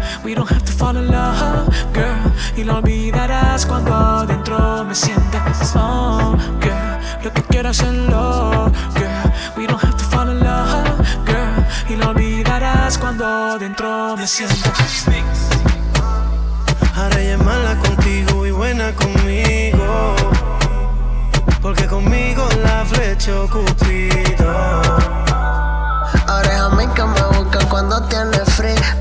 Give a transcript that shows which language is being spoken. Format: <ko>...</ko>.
<en>We don't have to fall in love, girl.</en> <es>Y lo olvidarás cuando adentro me sientas,</es> <en>oh, girl,</en> <es>lo que quieras en love, girl.</es> <en>We don't have to fall in love, girl.</en> <es>Y lo olvidarás cuando adentro me sientas. Ahora ella es mala contigo y buena conmigo, porque conmigo la flecha Cupido. Ahora es a mí que me busca cuando tiene frío.</es>